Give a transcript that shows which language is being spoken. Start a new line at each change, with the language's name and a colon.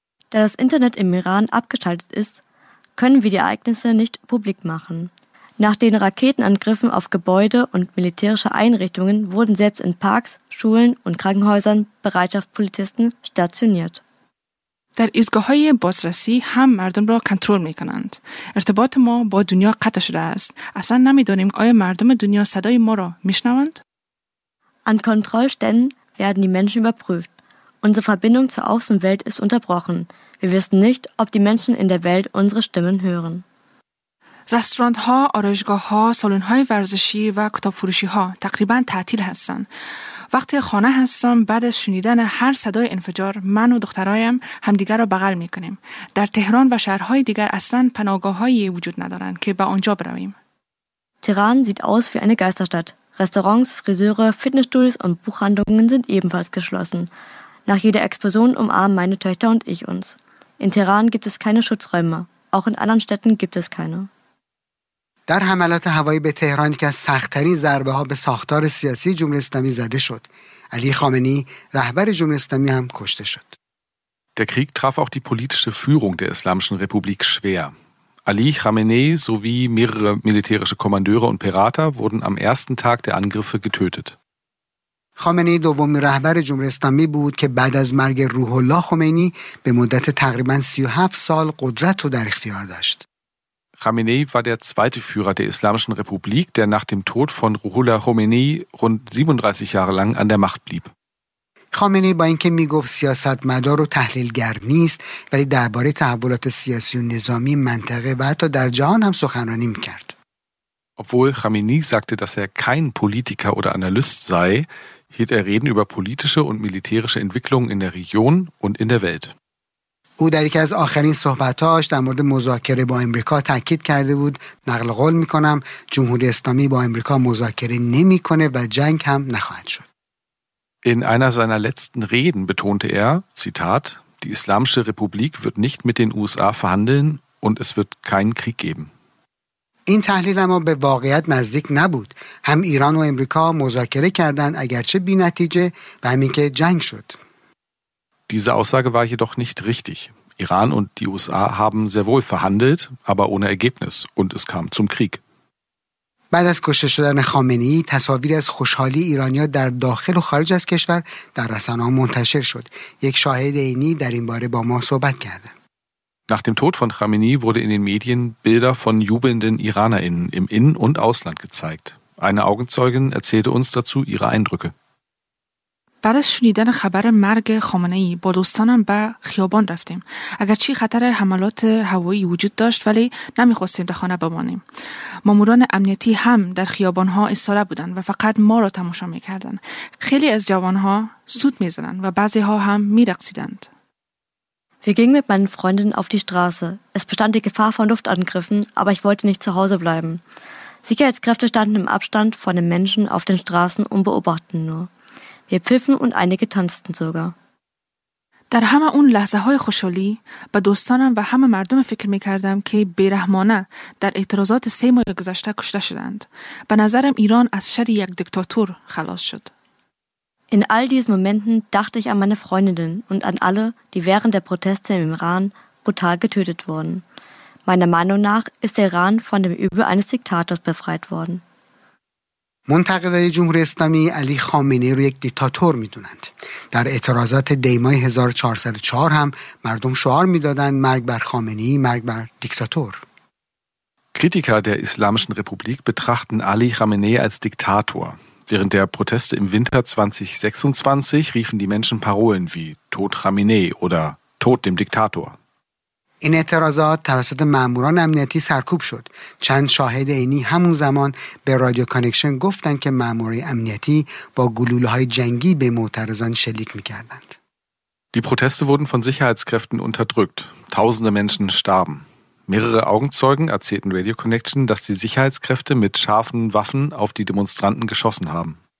German: Da das Internet im Iran abgeschaltet ist, können wir die Ereignisse nicht publik machen. Nach den Raketenangriffen auf Gebäude und militärische Einrichtungen wurden selbst in Parks, Schulen und Krankenhäusern Bereitschaftspolizisten stationiert.
Persian: در ایستگاه‌های بازرسی هم مردم را کنترل می‌کنند. ارتباط ما با دنیا قطع شده است. اصلا نمی‌دانیم آیا مردم دنیا صدای ما را می‌شنوند؟
German: An Kontrollstellen werden die Menschen überprüft. Unsere Verbindung zur Außenwelt ist unterbrochen. Wir wissen nicht, ob die Menschen in der Welt unsere Stimmen hören.
Persian: رستوران‌ها، آرایشگاه‌ها، سالن‌های ورزشی و کتاب‌فروشی‌ها تقریباً تعطیل هستند وقتی خانه هستم بعد از شنیدن هر صدای انفجار من و دخترایم همدیگر را بغل میکنیم. در تهران و شهرهای دیگر اصلا پناهگاه‌هایی وجود ندارند که به آنجا برویم.
German: تهران sieht aus wie eine Geisterstadt. Restaurants, Friseure, Fitnessstudios und Buchhandlungen sind ebenfalls geschlossen. Nach jeder Explosion umarmen meine Töchter und ich uns. In Teheran gibt es keine Schutzräume. Auch in anderen Städten gibt es keine.
Persian: در حملات هوایی به تهران که از سخت‌ترین ضربه‌ها به ساختار سیاسی جمهوری اسلامی زده شد، علی خامنه‌ای رهبر جمهوری اسلامی هم کشته شد.
German: Der Krieg traf auch die politische Führung der Islamischen Republik schwer. Ali Khamenei sowie mehrere militärische Kommandeure und Pirater wurden am ersten Tag der Angriffe getötet.
Persian: خامنه‌ای دومین رهبر جمهوری اسلامی بود که بعد از مرگ روح الله خمینی به مدت تقریباً 37 سال قدرت رو در اختیار داشت.
German: Khamenei war der zweite Führer der Islamischen Republik, der nach dem Tod von Ruhollah Khomeini rund 37 Jahre lang an der Macht blieb.
Persian: Khamenei با اینکه میگفت سیاستمدار و تحلیلگر نیست، ولی درباره تحولات سیاسی و نظامی منطقه و حتی در جهان هم سخنرانی می‌کرد.
German: Obwohl Khamenei sagte, dass er kein Politiker oder Analyst sei, hielt er Reden über politische und militärische Entwicklungen in der Region und in der Welt.
Persian: او در یکی از آخرین صحبت‌هاش در مورد مذاکره با آمریکا تأکید کرده بود، نقل قول می‌کنم، جمهوری اسلامی با آمریکا مذاکره نمی‌کنه و جنگ هم نخواهد شد.
German: In einer seiner letzten Reden betonte er, Zitat: Die Islamische Republik wird nicht mit den USA verhandeln und es wird keinen Krieg geben.
Persian: این تحلیل اما به واقعیت نزدیک نبود. هم ایران و آمریکا مذاکره کردند اگرچه بی‌نتیجه و همین که جنگ شد.
German: Diese Aussage war jedoch nicht richtig. Iran und die USA haben sehr wohl verhandelt, aber ohne Ergebnis und es kam zum Krieg.
Persian: بعد از کشته شدن خامنه‌ای، تصاویر از خوشحالی ایرانی‌ها در داخل و خارج از کشور در رسانه‌ها منتشر شد. یک شاهد عینی در این باره با ما صحبت کرد.
German: Nach dem Tod von Khamenei wurde in den Medien Bilder von jubelnden Iranerinnen im In- und Ausland gezeigt. Eine Augenzeugin erzählte uns dazu ihre Eindrücke.
Persian: بعد از شنیدن خبر مرگ خامنه‌ای با دوستانم به خیابان رفتیم. اگرچه خطر حملات هوایی وجود داشت ولی نمی‌خواستیم در خانه بمانیم. ماموران امنیتی هم در خیابان‌ها استاره بودند و فقط ما را تماشا می‌کردند. خیلی از جوان‌ها سوت می‌زدند و بعضی‌ها هم می‌رقصیدند.
German: Wir gingen mit meinen Freundinnen auf die Straße. Es bestand die Gefahr von Luftangriffen, aber ich wollte nicht zu Hause bleiben. Sicherheitskräfte standen im Abstand von den Menschen auf den Straßen und beobachten nur. Wir pfiffen und einige tanzten sogar.
Persian: در همه اون لحظه‌های خوشحالی با دوستانم و همه مردم فکر می‌کردم که بی‌رحمانه در اعتراضات 3 ماه گذشته کشته شدند. به نظرم ایران از شر یک دیکتاتور خلاص شد.
German: In all diesen Momenten dachte ich an meine Freundinnen und an alle, die während der Proteste im Iran brutal getötet wurden. Meiner Meinung nach ist der Iran von dem Übel eines Diktators befreit worden.
Persian: منتقدای جمهوری اسلامی علی خامنه‌ای رو یک دیکتاتور می‌دونند. در اعتراضات دیمای 1404 هم مردم شعار می‌دادند مرگ بر خامنه‌ای، مرگ بر دیکتاتور.
German: Kritiker der Islamischen Republik betrachten Ali Khamenei als Diktator. Während der Proteste im Winter 2026 riefen die Menschen Parolen wie Tod Khamenei oder Tod dem Diktator.
Persian: این اعتراضات توسط ماموران امنیتی سرکوب شد. چند شاهد عینی همون زمان به رادیو کانکشن گفتند که ماموران امنیتی با گلوله‌های جنگی به معترضان شلیک می‌کردند.
German: Die Proteste wurden von Sicherheitskräften unterdrückt. Tausende Menschen starben. Mehrere Augenzeugen erzählten Radio Connection, dass die Sicherheitskräfte mit scharfen Waffen auf die Demonstranten geschossen haben.